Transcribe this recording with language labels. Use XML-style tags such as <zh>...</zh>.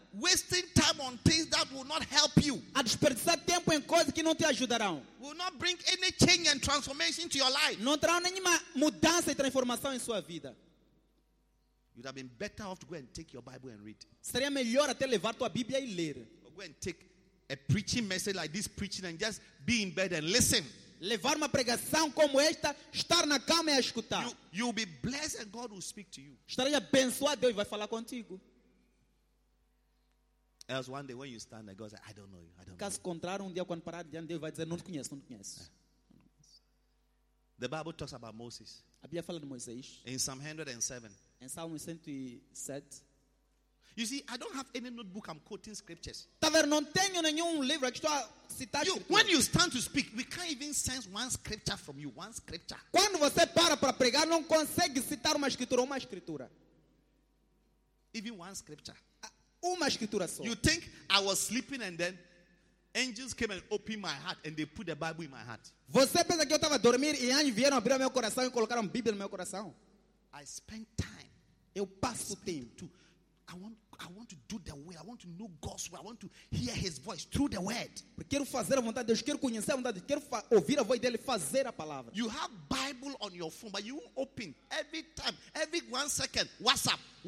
<en>Wasting time on things that will not help you.</en> <pt>A desperdiçar tempo em coisas que não te ajudarão.</pt> <en>Will not bring any change and transformation to your life.</en> <pt>Não trará nenhuma mudança e transformação em sua vida.</pt> <en>You'd have been better off to go and take your Bible and read.</en> <pt>Seria melhor até levar tua Bíblia e ler.</pt> <en>Or go and take a preaching message like this preaching and just be in bed and listen.</en> <pt>Levar uma pregação como esta, estar na cama e a escutar.</pt> <en>You'll be blessed and God will speak to you.</en> <pt>Estarei abençoado, Deus vai falar contigo.</pt> <en>Else one day when you stand there, God says, I don't know you.</en> <pt>Caso contrário, um dia quando parar diante de Deus, vai dizer, não te conheço.</pt> <en>The Bible talks about Moses.</en> <pt>A Bíblia fala de Moisés.</pt> <en>In Psalm 107.</en> <pt>Em Salmo 107.</pt> <en>You see, I don't have any notebook. I'm quoting scriptures.</en> <pt>Tá vendo? Não tenho nenhum livro que estou a citar.</pt> <en>When you stand to speak, we can't even sense one scripture from you. One scripture.</en> <pt>Quando você para pregar, não consegue citar uma escritura.</pt> <en>Even one scripture.</en> <pt>Uma escritura só.</pt> <en>You think I was sleeping and then angels came and opened my heart and they put the Bible in my heart?</en> <pt>Você pensa que eu estava a dormir e anjos vieram abrir meu coração e colocaram a Bíblia no meu coração?</pt> <en>I spend time.</en> <pt>Eu passo tempo.</pt> <en>I want to do the will. I want to know God's will. I want to hear His voice through the Word.</en> <pt>Quero fazer a vontade de Deus. Quero conhecer a vontade de Deus. Quero ouvir a voz dele. Fazer a palavra.</pt> <en>You have Bible on your phone, but you won't open every time, every 1 second. WhatsApp.</en>